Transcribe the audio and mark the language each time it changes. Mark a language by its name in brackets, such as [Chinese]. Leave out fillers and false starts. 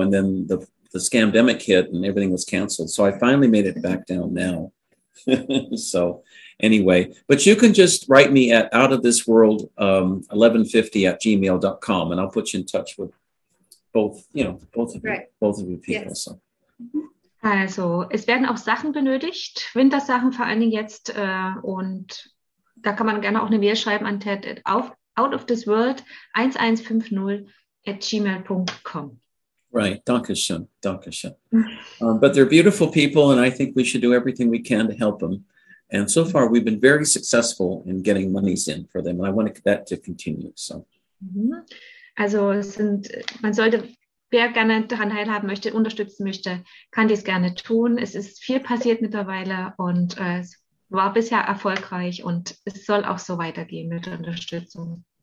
[English] And then the scandemic hit and everything was canceled. So I finally made it back down now. So anyway, but you can just write me at outofthisworld 1150@gmail.com, and I'll put you in touch with both of you people. Yes. So. [German] Also, es werden auch Sachen benötigt, Wintersachen vor allen Dingen jetzt, und da kann man gerne auch eine Mail schreiben an Ted at outofthisworld1150@gmail.com. Right. Dankeschön. [English] But they're beautiful people, and I think we should do everything we can to help them. And so far, we've been very successful in getting monies in for them, and I want that to continue. So. [German] Also, wer gerne daran teilhaben möchte, unterstützen möchte, kann dies gerne tun. Es ist viel passiert mittlerweile, und es war bisher erfolgreich, und es soll auch so weitergehen mit Unterstützung.